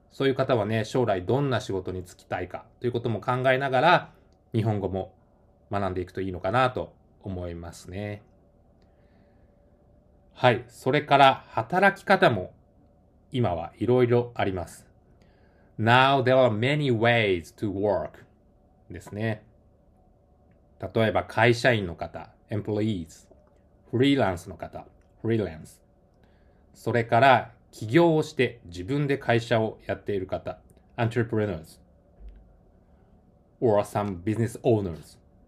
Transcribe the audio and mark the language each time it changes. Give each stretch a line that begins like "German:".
Japanese: そういう方はね、将来どんな仕事に就きたいかということも考えながら、日本語も学んでいくといいのかなと思いますね。はい、それから働き方も今はいろいろあります。
English: Now there are many ways to work
Japanese: ですね。例えば会社員の方、employees、フリーランスの方、freelance、それから起業をして自分で会社をやっている方、
English: entrepreneurs or some business owners。